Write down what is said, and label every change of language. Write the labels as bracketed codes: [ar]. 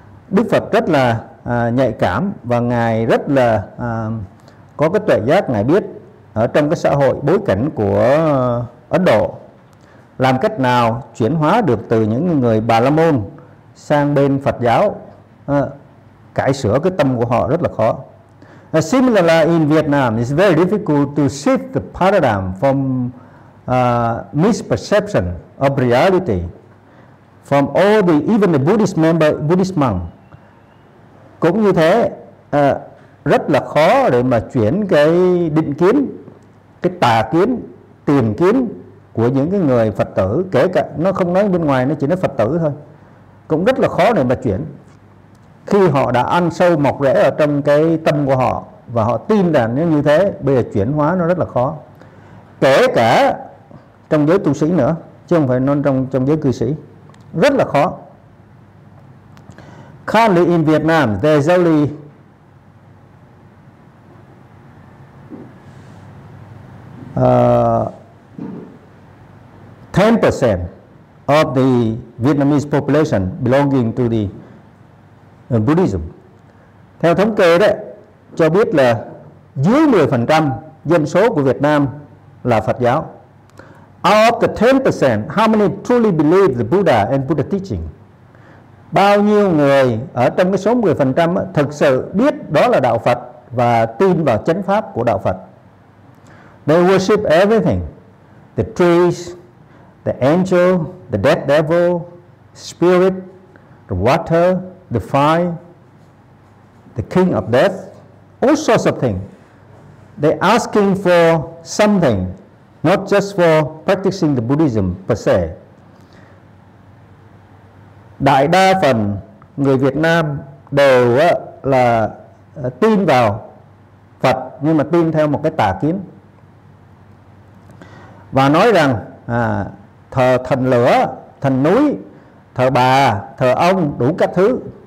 [vi] Đức Phật rất là nhạy cảm và Ngài rất là có cái tuệ giác. Ngài biết ở trong cái xã hội bối cảnh của Ấn Độ làm cách nào chuyển hóa được từ những người Bà La Môn sang bên Phật giáo, cải sửa cái tâm của họ rất là khó. [en] Similarly, in Vietnam, it's very difficult to shift the paradigm from misperception of reality from all the even the Buddhist member Buddhist monk. [vi] Cũng như thế, rất là khó để mà chuyển cái định kiến, cái tà kiến, tiềm kiến của những cái người Phật tử, kể cả nó không nói bên ngoài, nó chỉ nói Phật tử thôi, cũng rất là khó để mà chuyển. Khi họ đã ăn sâu mọc rễ ở trong cái tâm của họ và họ tin rằng nếu như thế, bây giờ chuyển hóa nó rất là khó. Kể cả trong giới tu sĩ nữa, chứ không phải nói trong giới cư sĩ, rất là khó. [en] Currently in Vietnam, there's only ten percent of the Vietnamese population belonging to the Buddhism. [vi] Theo thống kê đấy, cho biết là dưới 10% dân số của Việt Nam là Phật giáo. [en] Out of the 10%, how many truly believe the Buddha and Buddha teaching? [vi] Bao nhiêu người ở trong cái số 10% thực sự biết đó là đạo Phật và tin vào chánh pháp của đạo Phật? [en] They worship everything: the trees, the angel, the dead devil, spirit, the water, the fire, the king of death, all sorts of things. They asking for something, not just for practicing the Buddhism per se. [vi] Đại đa phần người Việt Nam đều là tin vào Phật, nhưng mà tin theo một cái tà kiến. Và nói rằng thờ thần lửa, thần núi, thờ bà, thờ ông, đủ các thứ.